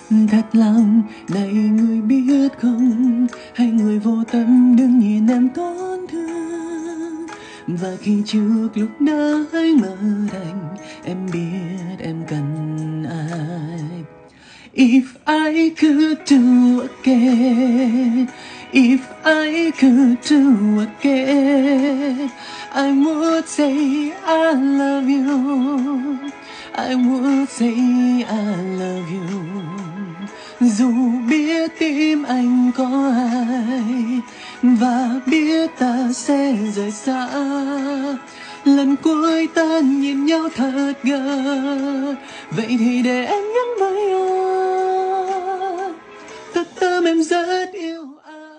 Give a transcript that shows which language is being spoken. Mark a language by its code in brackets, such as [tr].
[vi] Thật lòng này người biết không, hay người vô tâm đứng nhìn em tổn thương? Và khi trước lúc đã hay mơ đành, em biết em cần ai? [en] If I could do again, if I could do again, I would say I love you, I would say I love you. [vi] Dù biết tim anh có ai và biết ta sẽ rời xa, lần cuối ta nhìn nhau thật gần, vậy thì để em nhắn với anh, thật tâm em rất yêu anh.